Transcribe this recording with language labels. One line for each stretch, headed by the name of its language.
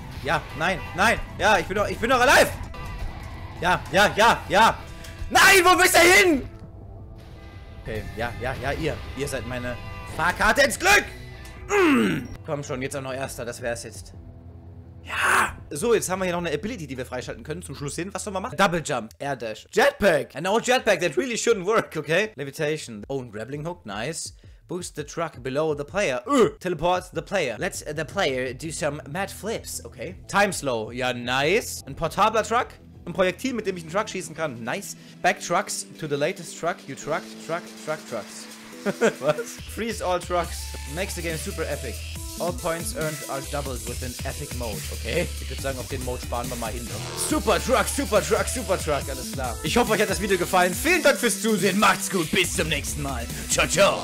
German: Ja, nein, nein, ja, ich bin noch alive! Ja, ja, ja, ja! Nein, wo bist du hin? Okay, ja, ja, ja, ihr seid meine Fahrkarte ins Glück! Mm. Komm schon, jetzt auch noch Erster, das wär's jetzt. Ja! So, jetzt haben wir hier noch eine Ability, die wir freischalten können. Zum Schluss hin, was soll man machen? Double Jump, Air Dash, Jetpack!
English: An old Jetpack, that really shouldn't work, okay? Levitation, own Grappling Hook, nice. Boost the truck below the player. Teleport the player. Let the player do some mad flips, okay?
German: Time Slow, ja, nice. Ein portabler Truck. Ein Projektil, mit dem ich einen Truck schießen kann.
English: Nice. Back trucks to the latest truck you trucked. Truck trucks.
German: Was?
English: Freeze all trucks. Makes the game super epic. All points earned are doubled with an epic mode. Okay?
German: Ich würde sagen, auf den Mode sparen wir mal hin. Super Truck, Super Truck, Super Truck. Alles klar. Ich hoffe, euch hat das Video gefallen. Vielen Dank fürs Zusehen. Macht's gut. Bis zum nächsten Mal. Ciao, ciao.